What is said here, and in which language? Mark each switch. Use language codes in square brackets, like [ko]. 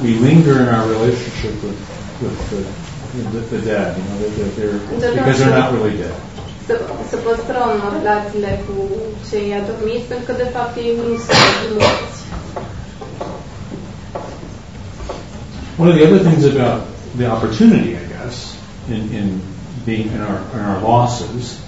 [en] We linger in our relationship with the dead, you know, they're because they're not really dead. [ro] Să păstrăm relațiile cu cei adormiți, pentru că de fapt ei nu sunt morți. [en] One of the other things about the opportunity, I guess, in being in our losses.